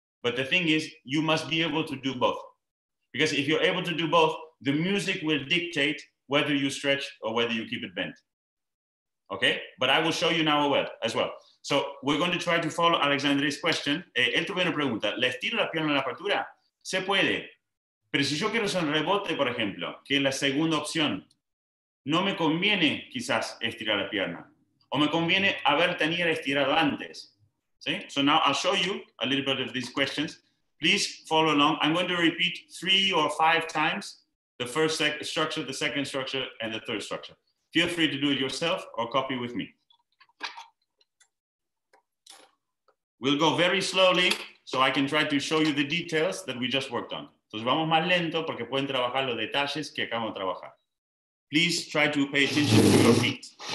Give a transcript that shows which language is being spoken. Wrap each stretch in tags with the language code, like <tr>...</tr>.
<en>But the thing is, you must be able to do both. Because if you're able to do both, the music will dictate whether you stretch or whether you keep it bent. Okay? But I will show you now as well. So we're going to try to follow Alexandre's question.</en> <es>Él tuvo una pregunta. ¿Le estiro la pierna en la apertura? Se puede. Pero si yo quiero hacer un rebote, por ejemplo, que es la segunda opción, no me conviene quizás estirar la pierna. O me conviene haber tenido estirado antes.</es> <en>See? So now I'll show you a little bit of these questions. Please follow along. I'm going to repeat 3 or 5 times the first structure, the second structure, and the third structure. Feel free to do it yourself or copy with me. We'll go very slowly so I can try to show you the details that we just worked on.</en> <es>Entonces vamos más lento porque pueden trabajar los detalles que acabamos de trabajar.</es> <en>Please try to pay attention to your feet.</en>